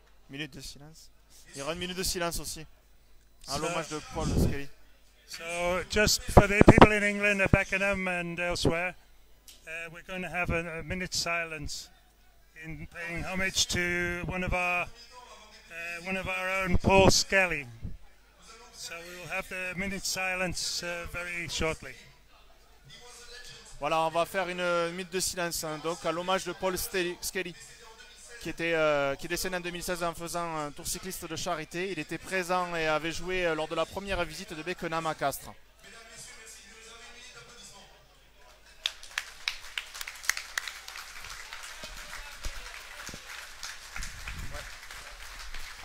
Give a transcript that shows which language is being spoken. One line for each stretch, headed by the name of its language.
French: Minute de silence. Il y aura une minute de silence aussi. À l'hommage de Paul Skelly.
English: So just for the people in England, Beckenham and elsewhere, we're going to have a minute silence in paying homage to one of our own, Paul Skelly. So we will have the minute silence very shortly.
French: Voilà, on va faire une minute de silence. Hein, donc à l'hommage de Paul Skelly. Qui est décédé en 2016 en faisant un tour cycliste de charité. Il était présent et avait joué lors de la première visite de Beckenham à Castres. Ouais.